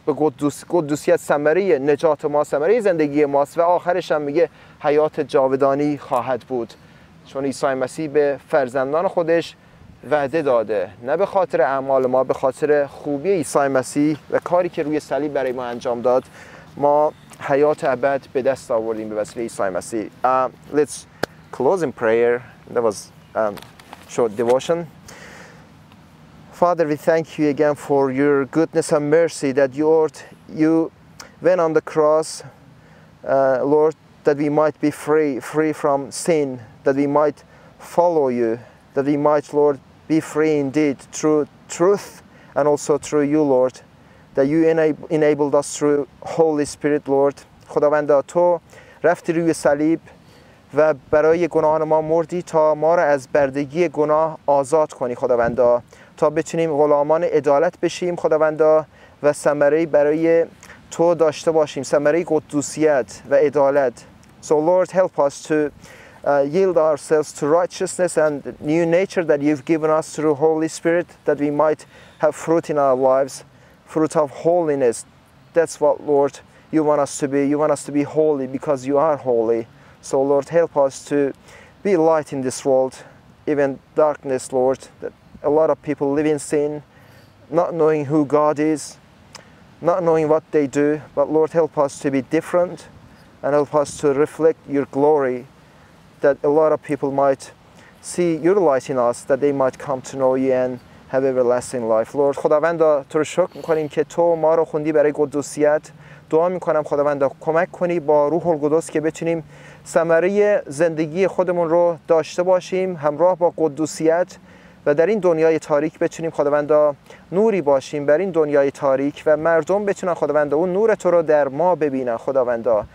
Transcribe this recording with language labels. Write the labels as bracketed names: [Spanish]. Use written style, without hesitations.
[Persian] به قدوسیت ثمره نجات ما، ثمره زندگی ماست، و آخرش هم میگه حیات جاودانی خواهد بود، چون عیسی مسیح به فرزندان خودش وعده داده، نه به خاطر اعمال ما، به خاطر خوبی عیسی مسیح و کاری که روی صلیب برای ما انجام داد، ما حیات ابد به دست آوردیم به وسیله عیسی مسیح. [English] Let's close in prayer. That was short devotion. Father, we thank you again for your goodness and mercy that you went on the cross, Lord, that we might be free from sin, that we might follow you, that we might, Lord, be free indeed through truth and also through you, Lord, that you enabled us through Holy Spirit, Lord. [Persian] خداوند، تو رفتی روی صلیب و برای گناهان ما مردی تا ما را از بردگی گناه آزاد کنی خداوند، تا بتونیم غلامان عدالت بشیم خداوند، و ثمره برای تو داشته باشیم، ثمره قدوسیت و عدالت. [English] So Lord, help us to yield ourselves to righteousness and the new nature that you've given us through Holy Spirit, that we might have fruit in our lives, fruit of holiness. That's what, Lord, you want us to be. You want us to be holy because you are holy. So Lord, help us to be light in this world. even darkness, Lord, that a lot of people live in sin, not knowing who God is, not knowing what they do. But Lord, help us to be different and help us to reflect your glory, that a lot of people might see your light in us, that they might come to know you and have everlasting life. Lord, [Persian] خداوندا تو رو شکر می‌کنیم که تو ما رو خوندی برای قدوسیت. دعا می‌کنم خداوندا کمک کنی با روح القدس که بتونیم ثمره زندگی خودمون رو داشته باشیم همراه با قدوسیت و در این دنیای تاریک بتونیم خداوندا نوری باشیم بر این دنیای تاریک و مردم بتونن خداوندا اون نور تو رو در ما ببینن خداوندا.